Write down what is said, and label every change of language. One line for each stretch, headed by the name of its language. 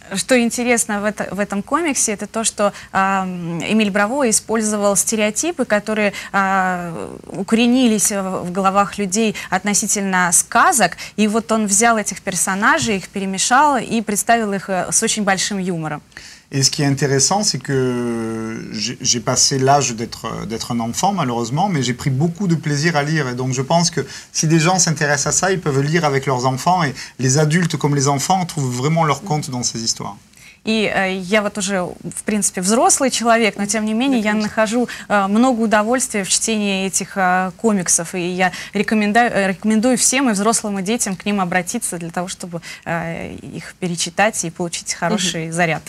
Russian: Что интересно в этом комиксе, это то, что Эмиль Браво использовал стереотипы, которые укоренились в головах людей относительно сказок, и вот он взял этих персонажей, их перемешал и представил их с очень большим юмором.
French: Et ce qui est intéressant, c'est que j'ai passé l'âge d'être un enfant, malheureusement, mais j'ai pris beaucoup de plaisir à lire. Et donc je pense que si des gens s'intéressent à ça, ils peuvent lire avec leurs enfants. Et les adultes comme les enfants trouvent vraiment leur compte dans ces histoires.
Russian: И я вот уже, в принципе, взрослый человек, но тем не менее я нахожу много удовольствия в чтении этих комиксов. И я рекомендую всем и взрослым, и детям к ним обратиться для того, чтобы их перечитать и получить хороший заряд.